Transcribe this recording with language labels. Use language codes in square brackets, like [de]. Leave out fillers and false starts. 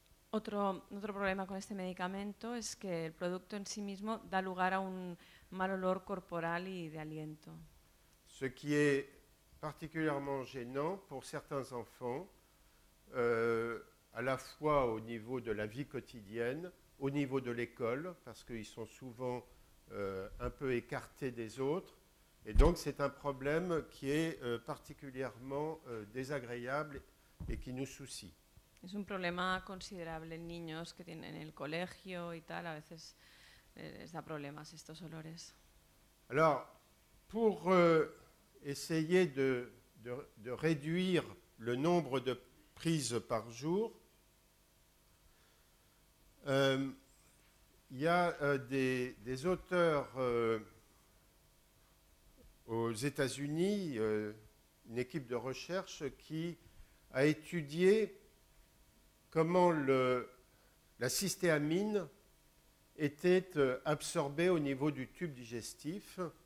[es] Otro problema con este medicamento es que el producto en sí mismo da lugar a un mal olor corporal y de aliento. [fr] Ce qui est particulièrement gênant pour certains enfants, à la fois au niveau de la vie quotidienne, au niveau de l'école, parce qu'ils sont souvent un peu écartés des autres, et donc c'est un problème qui est particulièrement désagréable et qui nous soucie. [es] Es un problema considerable en niños que tienen en el colegio y tal, a veces les da problemas estos olores. [fr] Alors, pour essayer de réduire le nombre de prise par jour. Il y a des auteurs aux États-Unis, une équipe de recherche qui a étudié comment la cystéamine était absorbée au niveau du tube digestif.